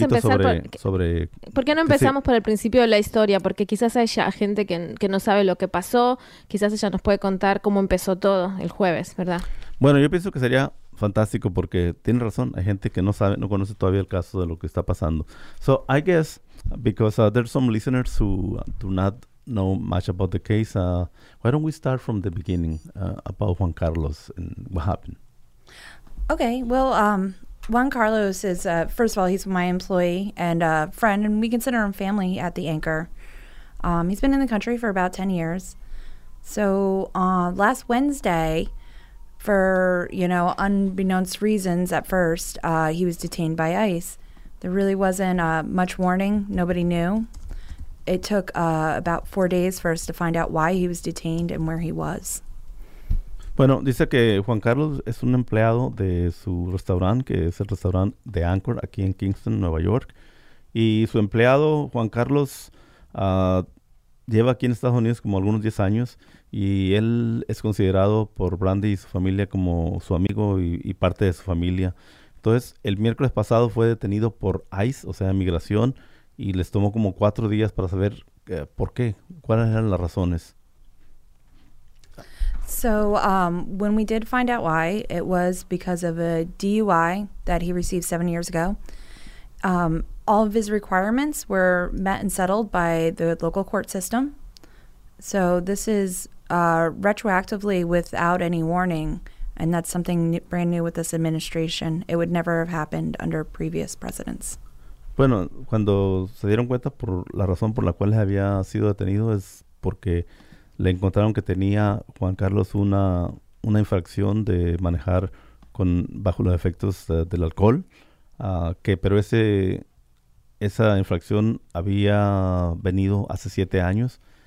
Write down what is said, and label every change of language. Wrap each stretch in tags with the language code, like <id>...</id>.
<es>un poquito sobre... ¿Por qué no empezamos por el principio de la historia? Porque quizás haya gente que no sabe lo que pasó. Quizás ella nos puede contar cómo empezó todo el jueves, ¿verdad? Bueno, yo pienso que sería... fantástico, porque tiene razón, hay gente que no sabe, no conoce todavía el caso de lo que está pasando.</es> <en>So I guess because there's some listeners who do not know much about the case, why don't we start from the beginning about Juan Carlos and what happened? Okay, well, Juan Carlos is first of all, he's my employee and a friend, and we consider him family at the Anchor. He's been in the country for about 10 years. So last Wednesday, for, you know, unbeknownst reasons at first, he was detained by ICE. There really wasn't much warning. Nobody knew. It took about 4 days for us to find out why he was detained and where he was.</en> <es>Bueno, dice que Juan Carlos es un empleado de su restaurante, que es el restaurante The Anchor, aquí en Kingston, Nueva York. Y su empleado, Juan Carlos, lleva aquí en Estados Unidos como algunos 10 años. Y él es considerado por Brandy y su familia como su amigo y parte de su familia. Entonces, el miércoles pasado fue detenido por ICE, o sea, migración, y les tomó como 4 días para saber por qué, cuáles eran las razones.</es> <en>So, when we did find out why, it was because of a DUI that he received 7 years ago. All of his requirements were met and settled by the local court system. So, this is... retroactively without any warning, and that's something brand new with this administration. It would never have happened under previous presidents.</en> <es>Bueno, cuando se dieron cuenta por la razón por la cual había sido detenido es porque le encontraron que tenía Juan Carlos una infracción de manejar con bajo los efectos del alcohol, pero esa infracción había venido hace 7 años.</es>